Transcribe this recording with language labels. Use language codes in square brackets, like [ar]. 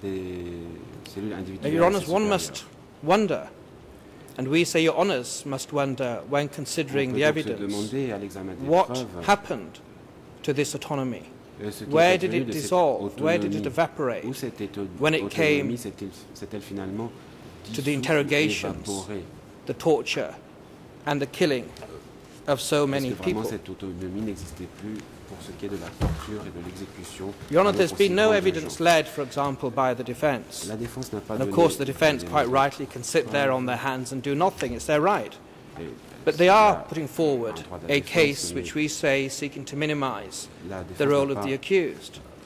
[en] Your Honours, one must wonder, and we say Your Honours must wonder when considering the evidence, what happened to this autonomy? Where did it dissolve? Where did it evaporate? When it came to the interrogations, the torture, and the killing of so many people. [fr] Cette autonomie n'existait plus pour ce qui est de la torture et de l'exécution. [en] Your Honor, there's been no evidence led, for example, by the defense. [fr] La défense n'a pas [en] and of course, the defense, quite rightly, can sit there on their hands and do nothing. It's their right. But they are putting forward a case which we say seeking to minimize the role of the accused.